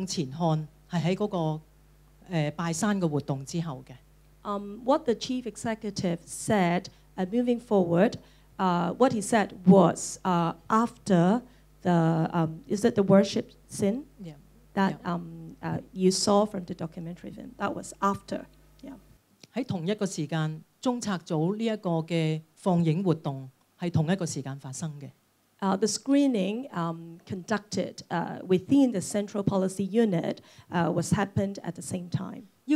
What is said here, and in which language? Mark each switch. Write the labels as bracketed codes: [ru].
[zh] 特首所說的向前看是在那個 拜山的活動之後的。 [en] What the chief executive said, moving forward, what he said was after the, is it the worship scene? Yeah. That you saw from the documentary film. That was after. Yeah. [zh] 在同一個時間, 中策組這個放映活動是同一個時間發生的。 [en] The screening conducted within the Central Policy Unit was happened at the same time.